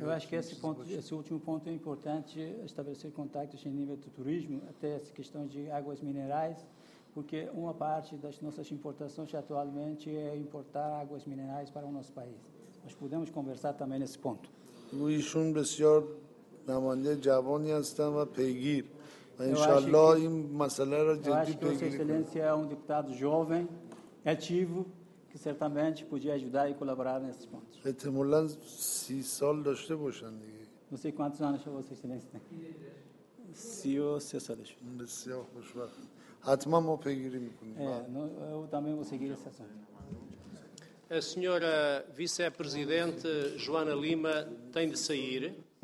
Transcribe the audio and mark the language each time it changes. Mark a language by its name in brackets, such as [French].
[Portuguese] Eu acho que esse último ponto é importante estabelecer contactos em nível do turismo, até essa questão de águas minerais, porque uma parte das nossas importações atualmente é importar águas minerais para o nosso país. Nós podemos conversar também nesse ponto. Luiz Chumbesior. [Persian] نمانده جوانی هستم و پیگیر و انشالله این مسئله را جدی پیگیر کنم. [Portuguese] Eu acho que o excelência é um deputado jovem, ativo, que certamente podia ajudar e colaborar nesses pontos. [Persian] احتمالا 30 سال داشته باشند دیگه. [Portuguese] Não sei quantos anos o excelência tem. [Persian] 33 سالش. بسیار خوشبخت. حتما ما پیگیری میکنیم. [Portuguese] Eu também vou seguir esse assunto. A senhora vice-presidente Joana Lima tem de sair.